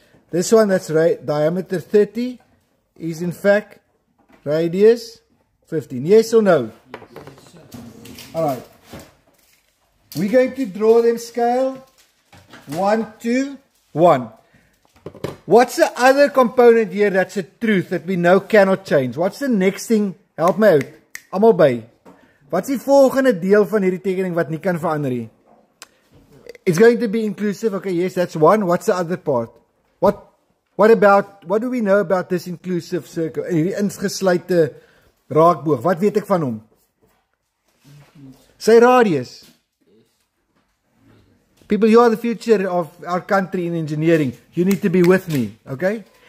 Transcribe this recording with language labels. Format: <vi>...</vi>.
<en>This one, that's diameter 30, is in fact radius 15. Yes or no? Yes, sir. All right. We're going to draw them scale. 1, 2, 1. What's the other component here that's a truth that we know cannot change? What's the next thing? Help me out.</en> <af>Almal by.</af> <en>What's the</en> <af>volgende deel van hierdie tekening wat nie kan verander nie?</af> <en>It's going to be inclusive. Okay, yes, that's one. What's the other part? What do we know about this inclusive circle?</en> <af>Hierdie ingesluite raakboog. Wat weet ek van hom? Sy radius.</af> <en>People, you are the future of our country in engineering. You need to be with me, okay?</en>